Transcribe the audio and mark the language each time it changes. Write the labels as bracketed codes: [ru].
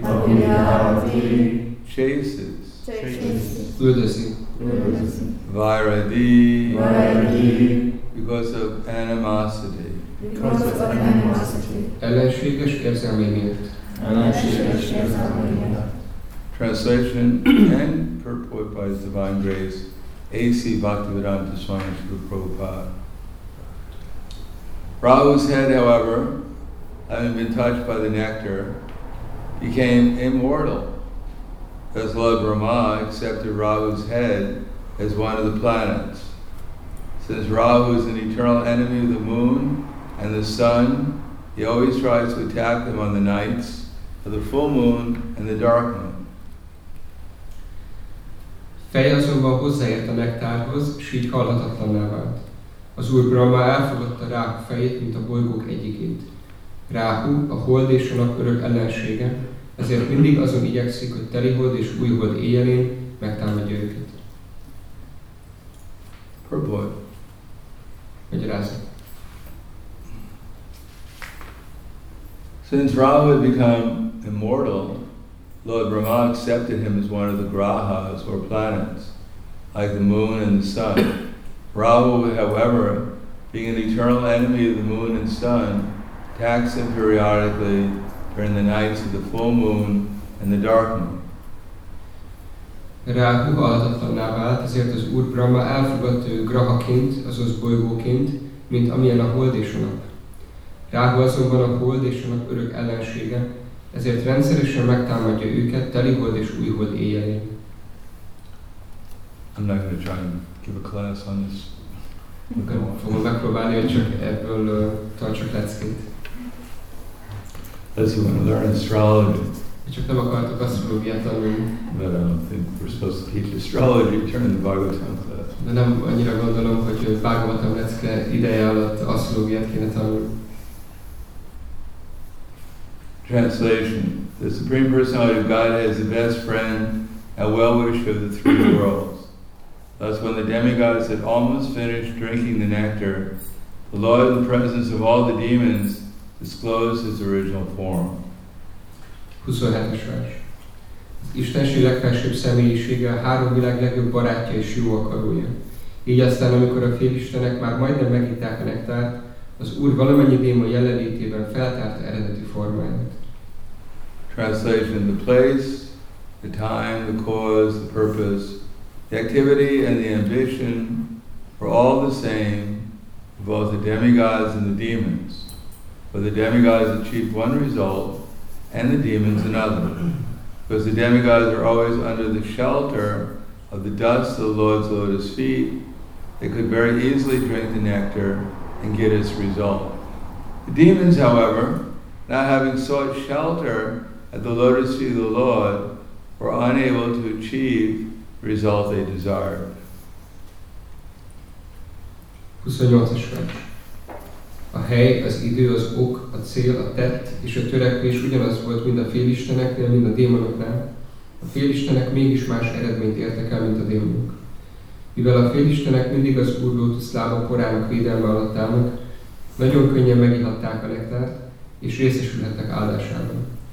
[sa] Abhidhavati. [en] Chases. Chases. [hu] Üldözi. Üldözi. [sa] Vairadi. Vairadi. [en] Because of animosity. Because of animosity. [hu] Ellenséges érzelmeiért. Ellenséges érzelmeiért. [en] Translation and purport by His Divine Grace, A.C. Bhaktivedanta Swami Srila Prabhupada. Rahu's head, however, having been touched by the nectar, became immortal. Thus Lord Brahma accepted Rahu's head as one of the planets. Since Rahu is an eternal enemy of the moon and the sun, he always tries to attack them on the nights of the full moon and the dark moon. [hu] Feje azonban hozzáért a nektárhoz, s így hallhatatlanná vált. Az Úr Brahma elfogadta Ráhu fejét, mint a bolygók egyikét. Ráhu a hold és a nap örök ellensége, ezért mindig azon igyekszik, hogy teli hold és új hold éjjelén megtámadja őket. [en] Prabhupada. [hu] Magyarázat. [en] Since Rahu had become immortal, Lord Brahma accepted him as one of the grahas, or planets, like the moon and the sun. Rahu, however, being an eternal enemy of the moon and sun, attacks him periodically during the nights of the full moon and the dark moon. [hu] Rahu halhatatlanná vált, ezért az Úr Brahma elfogadta ő grahaként, azaz bolygóként, mint amilyen a hold és a nap. Rahu azonban a hold és a nap örök ellensége, ezért rendszeresen megtámadja őket teli hold és új hold éjjelén. [en] I'm not going to try and give a class on this. [hu] Fogom megpróbálni, hogy csak ebből tartsak leckét. [en] Unless you want to learn astrology. [hu] Csak nem akartok asztrológiát tanulni. [en] But I don't think we're supposed to teach astrology during the Bhagavatam class. [hu] De nem annyira gondolom, hogy Bhagavatam lecke ideje alatt asztrológiát kéne tanulni. [en] Translation. The Supreme Personality of Godhead is the best friend and well-wisher of the three worlds. Thus, when the demigods had almost finished drinking the nectar, the Lord, in the presence of all the demons, disclosed his original form. [hu] 27. vers. Az Istenség legfelsőbb személyisége a három világ legjobb barátja és jó akarója. Így aztán, amikor a félistenek már majdnem megitták a nektárt, az Úr valamennyi démon jelenlétében feltárta eredeti formáját. [en] Translation: the place, the time, the cause, the purpose, the activity and the ambition were all the same for both the demigods and the demons. For the demigods achieved one result and the demons another. Because the demigods are always under the shelter of the dust of the Lord's lotus feet, they could very easily drink the nectar and get its result. The demons, however, not having sought shelter at the lotus feet of the Lord, were unable to achieve the result they desired. [hu] 28. vers. A hely, az idő, az ok, a cél, a tett és a törekvés ugyanaz volt, mint a félisteneknél, mint a démonoknál. A félistenek mégis más eredményt értek el, mint a démonok. Mivel a félistenek mindig az Úr lótusz lába korának védelme alatt állnak, nagyon könnyen megihatták a nektárt, és részesülhettek áldásában.